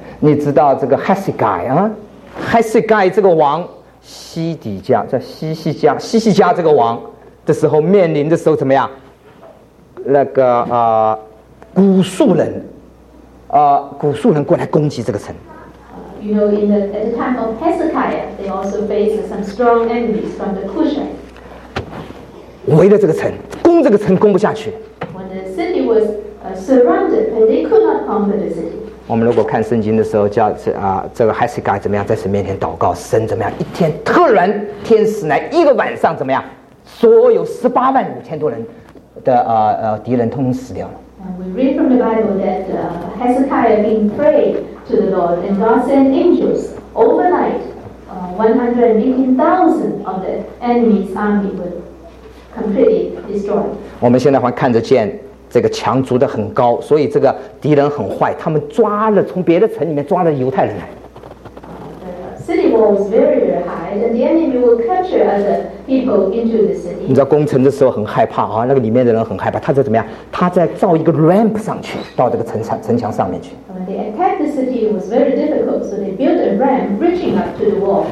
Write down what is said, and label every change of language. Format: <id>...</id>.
<zh>你知道这个 Hasigai 啊？还是盖这个王西底家在西西家这个王的时候面临的时候怎么样？那个古树人，古树人过来攻击这个城。</zh> <en>You know, in the time of Hezekiah, they also faced some strong enemies from the Cushite.</en> <zh>围了这个城，攻这个城攻不下去。</zh> <en>When the city was surrounded, they could not conquer the city.</en> <zh>我们如果看圣经的时候叫这个 Hezekiah 怎么样在神面前祷告，神怎么样一天突然天使来一个晚上怎么样所有185,000多人的敌人通通死掉了。</zh> <en>And we read from the Bible that Hezekiah being prayed to the Lord and God sent angels overnight 118,000 of the enemy's army were completely destroyed.</en> <zh>我们现在还看着见这个墙筑得很高，所以这个敌人很坏，他们抓了从别的城里面抓了犹太人来。</zh> <en>City wall was very high, and the enemy will capture other people into the city.</en> <zh>你知道攻城的时候很害怕啊，那个里面的人很害怕，他在怎么样？他在造一个 ramp 上去，到这个城墙上面去。</zh> <en>When they attacked the city, it was very difficult, so they built a ramp reaching up to the wall.</en>